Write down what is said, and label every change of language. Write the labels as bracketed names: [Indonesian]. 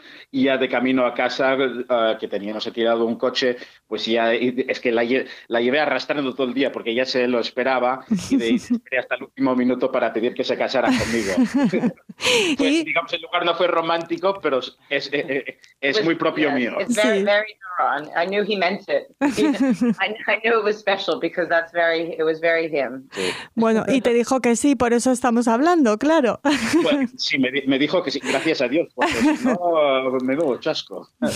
[Spanish] Y ya de camino a casa, que tenía, no sé, tirado un coche, pues ya es que la llevé arrastrando todo el día porque ya se lo esperaba y de ahí esperé hasta el último minuto para pedir que se casara conmigo. Pues, ¿y? Digamos, el lugar no fue romántico, pero es muy propio mío. [English] It's very, very Duran. I knew he meant it. I knew it was special because that's very, it was very him. [Spanish] Sí. Bueno, y te dijo que sí, por eso estamos hablando, claro. Bueno, sí, me dijo que sí, gracias a Dios, porque si no, me veo chasco.